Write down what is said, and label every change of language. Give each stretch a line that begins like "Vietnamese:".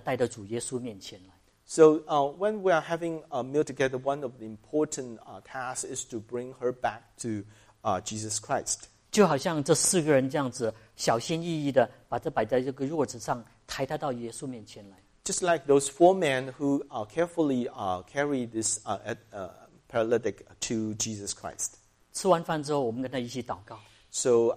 Chinese: 我们带她家里之后，每个星期跟她在定期时间吃饭，还有很重要就是说，我们要把她带到主耶稣面前来。So
English: when we are having a meal together, one of the important tasks is to bring her back to Jesus Christ.
Chinese: 就好像这四个人这样子，小心翼翼的把她摆在这个褥子上，抬她到耶稣面前来。Just
English: like those four men who carefully carry this paralytic to Jesus Christ.
Chinese: 吃完饭之后，我们跟他一起祷告。So